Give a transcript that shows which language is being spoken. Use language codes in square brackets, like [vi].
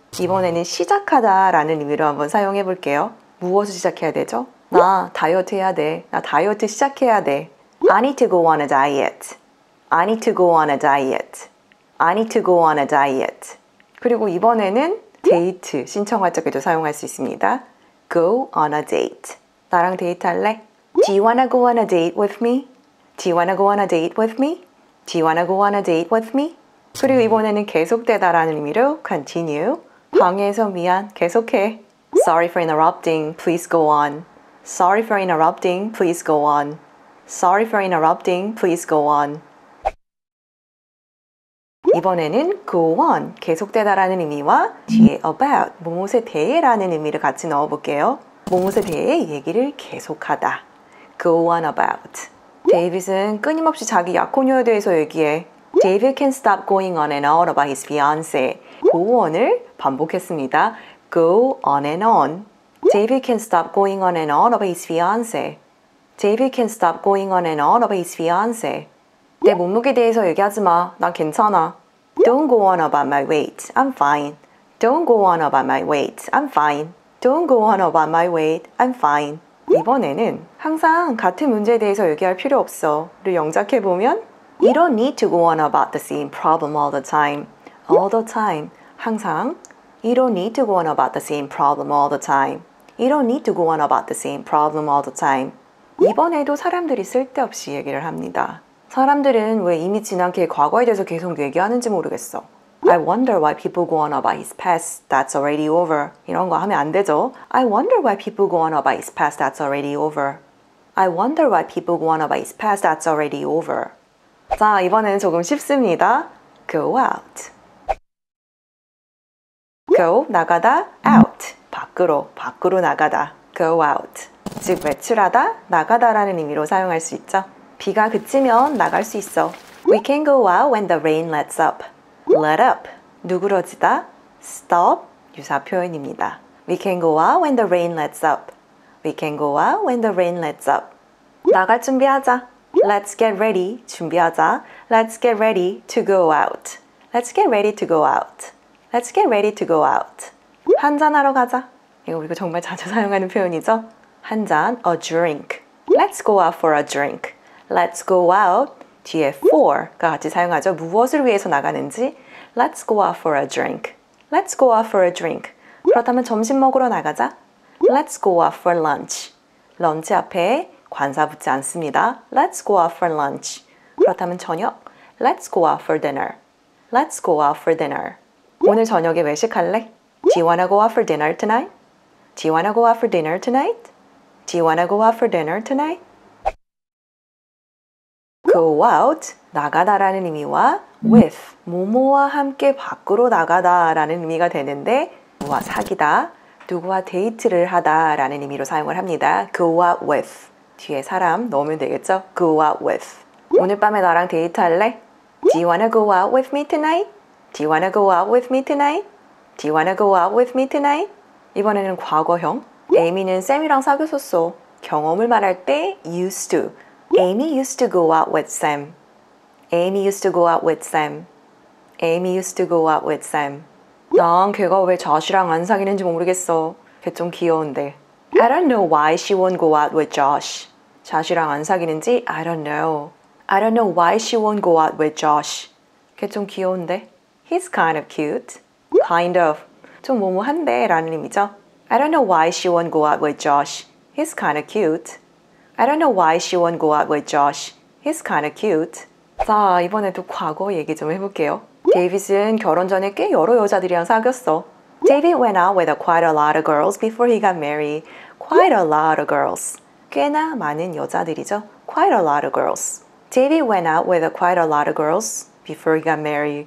[ko] 이번에는 시작하다 라는 의미로 한번 사용해 볼게요. 무엇을 시작해야 되죠? 나 다이어트 해야 돼. 나 다이어트 시작해야 돼. [en] I need to go on a diet. I need to go on a diet. I need to go on a diet. [ko] 그리고 이번에는 데이트 신청할 적에도 사용할 수 있습니다. [en] Go on a date. [ko] 나랑 데이트할래? [en] Do you wanna go on a date with me? Do you wanna go on a date with me? Do you wanna go on a date with me? [ko] 그리고 이번에는 계속되다 라는 의미로 continue. 방해해서 미안. 계속해. [en] Sorry for interrupting. Please go on. Sorry for interrupting. Please go on. Sorry for interrupting. Please go on. [ko] 이번에는 go on. 계속되다 라는 의미와 뒤에 about. 무엇에 대해 라는 의미를 같이 넣어볼게요. 무엇에 대해 얘기를 계속하다. [en] Go on about. [ko] 데이빗은 끊임없이 자기 약혼녀에 대해서 얘기해. [en] David can't stop going on and on about his fiance. Go on을 [ko] 반복했습니다. [en] Go on and on. David can't stop going on and on about his fiance. David can't stop going on and on about his fiance. [ko] 내 몸무게 대해서 얘기하지 마. 난 괜찮아. [en] Don't go on about my weight. I'm fine. Don't go on about my weight. I'm fine. Don't go on about my weight. I'm fine. [ko] 이번에는 항상 같은 문제에 대해서 얘기할 필요 없어. 를 영작해보면 [en] You don't need to go on about the same problem all the time. All the time. 항상 You don't need to go on about the same problem all the time. You don't need to go on about the same problem all the time. [ko] 이번에도 사람들이 쓸데없이 얘기를 합니다. 사람들은 왜 이미 지난 게 과거에 대해서 계속 얘기하는지 모르겠어. [en] I wonder why people go on about his past that's already over. [ko] 이런 거 하면 안 되죠. [en] I wonder why people go on about his past that's already over. I wonder why people go on about his past that's already over. [ko] 자, 이번에는 조금 쉽습니다. [en] Go out. [ko] Go, 나가다. Out, 밖으로. 밖으로 나가다. Go out. 즉, 외출하다, 나가다라는 의미로 사용할 수 있죠. 비가 그치면 나갈 수 있어. [en] We can go out when the rain lets up. [ko] Let up. 누그러지다. Stop. 유사 표현입니다. We can go out when the rain lets up. We can go out when the rain lets up. 나갈 준비하자. [en] Let's get ready. [ko] 준비하자. [en] Let's get ready to go out. Let's get ready to go out. Let's get ready to go out. [ko] 한잔하러 가자. 이거 우리가 정말 자주 사용하는 표현이죠. [en] 한잔, a drink. Let's go out for a drink. [ko] Let's go out. 뒤에 for가 같이 사용하죠. 무엇을 위해서 나가는지. [en] Let's go out for a drink. Let's go out for a drink. [ko] 그렇다면 점심 먹으러 나가자. [en] Let's go out for lunch. [ko] 런치 앞에 관사 붙지 않습니다. [en] Let's go out for lunch. [ko] 그렇다면 저녁. [en] Let's go out for dinner. Let's go out for dinner. [ko] 오늘 저녁에 외식할래? [en] Do you wanna go out for dinner tonight? Do you wanna go out for dinner tonight? Do you wanna go out for dinner tonight? [ko] Go out, 나가다라는 의미와 with, 뭐뭐와 함께 밖으로 나가다라는 의미가 되는데 뭐와 사귀다, 누구와 데이트를 하다라는 의미로 사용을 합니다. [en] Go out with, 뒤에 사람 넣으면 되겠죠? Go out with. [ko] 오늘 밤에 나랑 데이트할래? [en] Do you wanna go out with me tonight? Do you wanna go out with me tonight? Do you wanna go out with me tonight? [ko] 이번에는 과거형. Amy는 Sam이랑 사귀었었어. 경험을 말할 때 [en] used to. Amy used to go out with Sam. Amy used to go out with Sam. Amy used to go out with Sam. [ko] 난 걔가 왜 Josh이랑 안 사귀는지 모르겠어. 걔 좀 귀여운데. [en] I don't know why she won't go out with Josh. [ko] Josh이랑 안 사귀는지 [en] I don't know. I don't know why she won't go out with Josh. [ko] 걔 좀 귀여운데. [en] He's kind of cute. Kind of. [ko] 좀 모모한데 라는 의미죠. [en] I don't know why she won't go out with Josh. He's kind of cute. I don't know why she won't go out with Josh. He's kind of cute. [ko] 자, 이번에도 과거 얘기 좀 해볼게요. David은 결혼 전에 꽤 여러 여자들이랑 사귀었어. [en] David went out with quite a lot of girls before he got married. Quite a lot of girls. [ko] 꽤나 많은 여자들이죠. [en] Quite a lot of girls. David went out with quite a lot of girls before he got married.